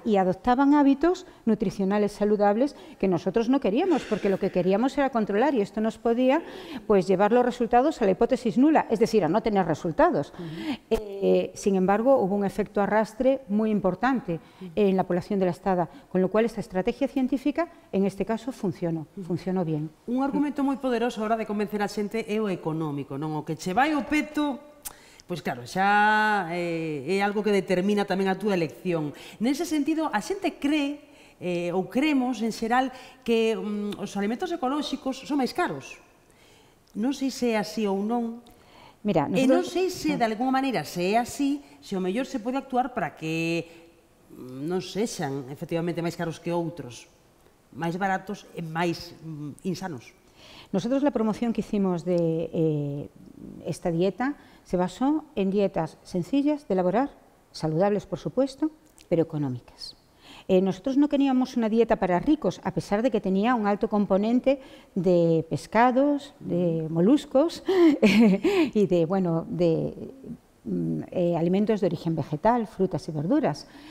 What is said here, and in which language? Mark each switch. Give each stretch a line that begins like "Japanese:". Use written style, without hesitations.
Spanish: Y adoptaban hábitos nutricionales saludables que nosotros no queríamos, porque lo que queríamos era controlar y esto nos podía pues, llevar los resultados a la hipótesis nula, es decir, a no tener resultados. Sin embargo, hubo un efecto arrastre muy importante en la población de La Estrada, con lo cual esta estrategia científica, en este caso, funcionó, funcionó bien.
Galician: Un argumento muy poderoso hora de convencer a xente é o económico, non o que che vai o peto, pois claro, xa é algo que determina tamén a túa elección. Nese sentido, a xente cree ou cremos en xeral que os alimentos ecolóxicos son máis caros. Non sei se é así ou non. Mira,
Spanish: nosotros...
Galician: non sei se de alguma maneira se é así, se o mellor se pode actuar para que non sexan efectivamente máis caros que outros, máis baratos e máis insanos.
Spanish: Nosotros la promoción que hicimos de esta dieta se basó en dietas sencillas de elaborar, saludables por supuesto, pero económicas. Nosotros no queríamos una dieta para ricos, a pesar de que tenía un alto componente de pescados, de moluscos y de, bueno, de alimentos de origen vegetal, frutas y verduras.